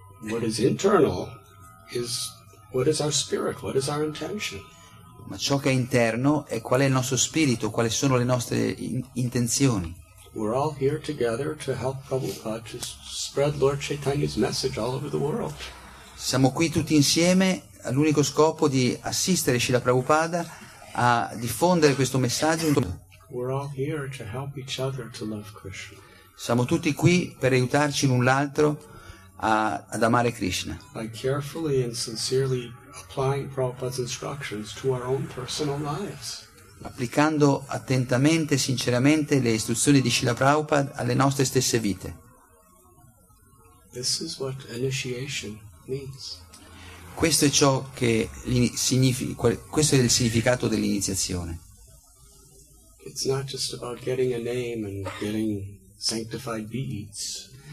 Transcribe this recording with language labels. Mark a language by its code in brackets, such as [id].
[en] What is internal is what is our spirit, what is our intention. [it] Ma ciò che è interno è qual è il nostro spirito, quali sono le nostre intenzioni. [en] We're all here together to help Prabhupada to spread Lord Chaitanya's message all over the world. [it] Siamo qui tutti insieme all'unico scopo di assistere Srila Prabhupada a diffondere questo messaggio. [en] We're all here to help each other to love Krishna. [it] Siamo tutti qui per aiutarci l'un l'altro ad amare Krishna. [en] By carefully and sincerely applying Prabhupada's instructions to our own personal lives. [it] Applicando attentamente e sinceramente le istruzioni di Srila Prabhupada alle nostre stesse vite. [en] This is what initiation means. [it] Questo è ciò che significa, questo è il significato dell'iniziazione. [en] It's not just about getting a name and getting sanctified beads.